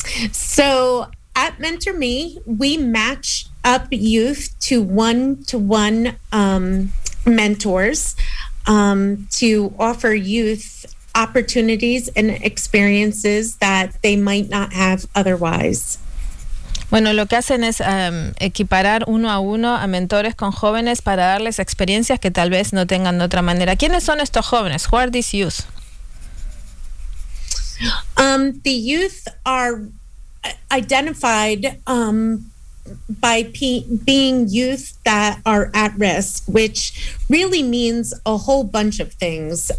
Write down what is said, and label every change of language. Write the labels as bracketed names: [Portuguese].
[English] So at Mentor Me, we match up youth to one-to-one mentors to offer youth opportunities and experiences that they might not have otherwise. [Spanish] Bueno, lo que hacen es equiparar uno a uno a mentores con jóvenes para darles experiencias que tal vez no tengan de otra manera. ¿Quiénes son estos jóvenes? [English] Who are these youth? The youth are identified by being youth that are at risk, which really means a whole bunch of things.